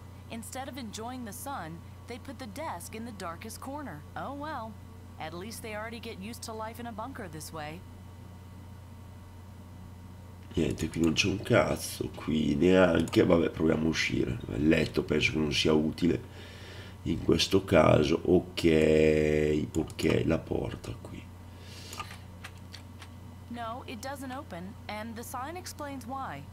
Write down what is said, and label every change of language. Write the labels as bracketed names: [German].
[English] Instead of enjoying the sun, they put the desk in the darkest corner. Oh well. At least they already get used to life in a bunker this way. [Italian] Niente, qui non c'è un cazzo, qui neanche, vabbè, proviamo a uscire. Il letto penso che non sia utile in questo caso. Ok, ok, la porta qui. [English] No, it doesn't open, and the sign explains why.